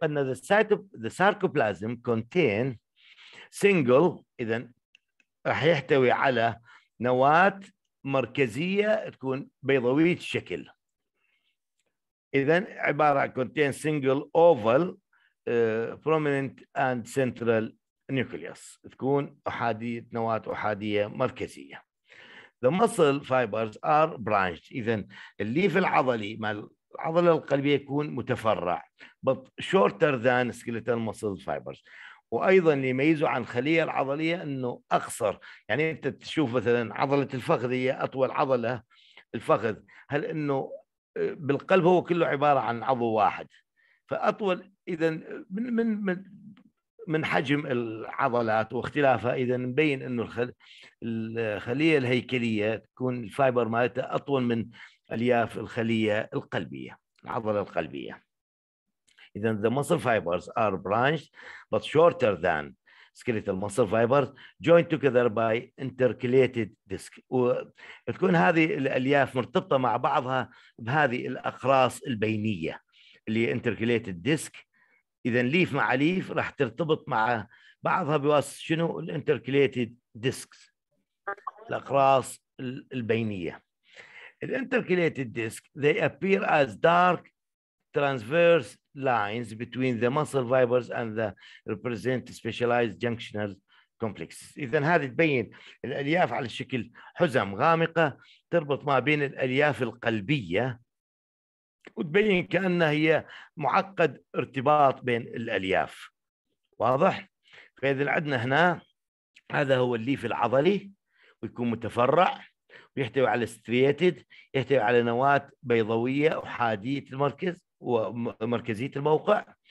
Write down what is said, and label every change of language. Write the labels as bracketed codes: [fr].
[ar] قلنا [en] the sarcoplasm contain single، [ar] اذا راح يحتوي على نواه مركزيه تكون بيضاويه الشكل. اذا عباره [en] contain single oval prominent and central nucleus، [ar] تكون احاديه نواه احاديه مركزيه. [en] The muscle fibers are branched، [ar] اذا الليف العضلي مال العضلة القلبية يكون متفرع [en] but shorter than skeletal muscle fibers. [ar] وأيضا اللي يميزه عن الخلية العضلية أنه أقصر، يعني أنت تشوف مثلا عضلة الفخذ هي أطول عضلة الفخذ، هل أنه بالقلب هو كله عبارة عن عضو واحد، فأطول إذا من من من من حجم العضلات واختلافها، إذا مبين أنه الخلية الهيكلية تكون الفايبر مالتها أطول من الياف الخلية القلبية، العضلة القلبية. [en] إذا the muscle fibers are branched but shorter than skeletal muscle fibers joined together by intercalated disc. [ar] وتكون هذه الألياف مرتبطة مع بعضها بهذه الأقراص البينية اللي intercalated disc. إذا ليف مع ليف راح ترتبط مع بعضها بواسطة شنو؟ intercalated discs، الأقراص البينية. [en] الانتركليتد disc they appear as dark transverse lines between the muscle fibers and the represent specialized junctional complex. [ar] اذا هذه تبين الالياف على شكل حزم غامقه تربط ما بين الالياف القلبيه، وتبين كانها هي معقد ارتباط بين الالياف. واضح؟ فاذا عندنا هنا هذا هو الليف العضلي ويكون متفرع يحتوي على ستريتد، يحتوي على نواة بيضوية أحادية المركز ومركزية الموقع.